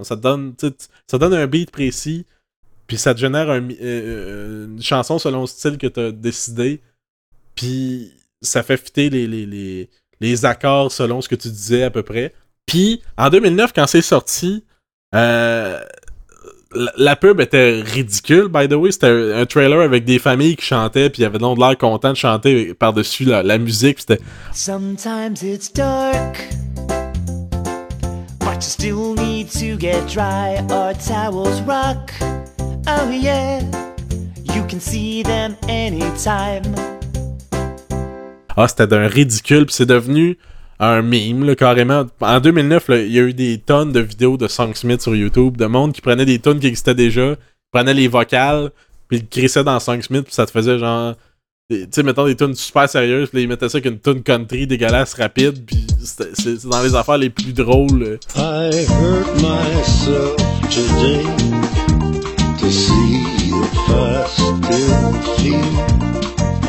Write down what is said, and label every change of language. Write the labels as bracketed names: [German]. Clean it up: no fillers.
[French] Ça donne un beat précis, puis ça te génère une chanson selon le style que tu as décidé, puis ça fait fitter les accords selon ce que tu disais à peu près. Puis, en 2009, quand c'est sorti, la pub était ridicule, by the way. C'était un trailer avec des familles qui chantaient, puis ils avaient donc l'air contents de chanter par-dessus la musique. C'était... [English] Sometimes it's dark, but you still need to get dry. Our towels rock, oh yeah, you can see them anytime. [French] Ah, c'était d'un ridicule, puis c'est devenu un meme, là, carrément. En 2009, il y a eu des tonnes de vidéos de Songsmith sur YouTube, de monde qui prenait des tunes qui existaient déjà, prenait les vocales, puis ils crissaient dans Songsmith, puis ça te faisait genre... Tu sais, mettons des tunes super sérieuses, puis ils mettaient ça avec une tune country dégueulasse, rapide, puis c'est dans les affaires les plus drôles. [English] I hurt myself today to see the fast feet.